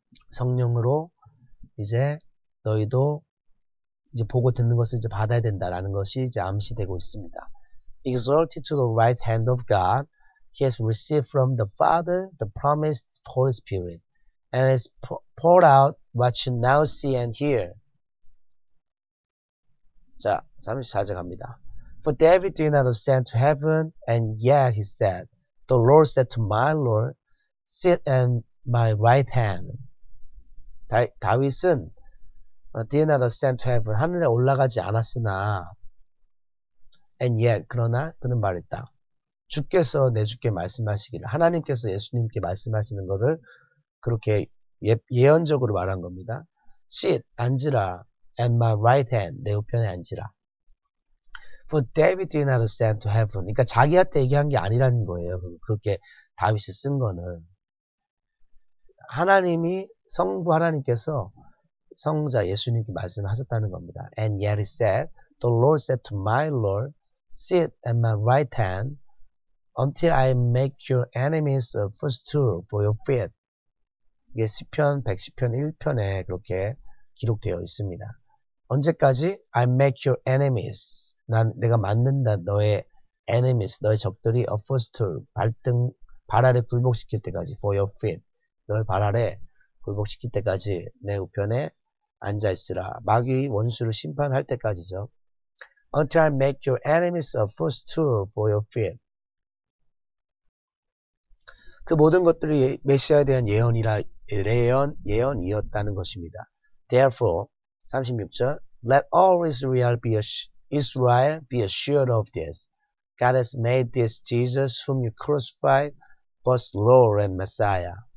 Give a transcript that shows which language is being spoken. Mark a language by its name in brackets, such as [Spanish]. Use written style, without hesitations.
[Korean] 성령으로 이제 너희도 이제 보고 듣는 것을 이제 받아야 된다라는 것이 이제 암시되고 있습니다. [English] Exalted to the right hand of God, he has received from the Father the promised Holy Spirit, and has poured out what you now see and hear. [Korean] 자, 34절 갑니다. [English] For David did not ascend to heaven, and yet he said, The Lord said to my Lord, Sit at my right hand. [Korean] 다윗은 [English] did not ascend to heaven, [Korean] 하늘에 올라가지 않았으나, [English] and yet, [Korean] 그러나 그는 말했다. 주께서 내 주께 말씀하시기를, 하나님께서 예수님께 말씀하시는 것을 그렇게 예언적으로 말한 겁니다. [English] Sit, [Korean] 앉으라. [English] And my right hand, [Korean] 내 우편에 앉으라. [English] For David did not ascend to heaven. [Korean] 그러니까 자기한테 얘기한 게 아니라는 거예요. 그렇게 다윗이 쓴 거는. 하나님이, 성부 하나님께서 성자 예수님께 말씀하셨다는 겁니다. [English] And yet he said, The Lord said to my Lord, Sit at my right hand until I make your enemies a footstool for your feet. [Korean] 이게 시편, 110편, 1편에 그렇게 기록되어 있습니다. 언제까지? [English] I make your enemies. [Korean] 난 내가 만든다. 너의 enemies, 너의 적들이 [English] a footstool, [Korean] 발등, 발 아래 굴복시킬 때까지 [English] for your feet. [Korean] 너의 발 아래 굴복시킬 때까지 내 우편에 앉아있으라. 마귀 원수를 심판할 때까지죠. [English] Until I make your enemies a footstool for your feet. [Korean] 그 모든 것들이 메시아에 대한 예언이라, 예언이었다는 것입니다. [English] Therefore, 36절, Let all Israel be assured of this. God has made this Jesus whom you crucified, both Lord and Messiah.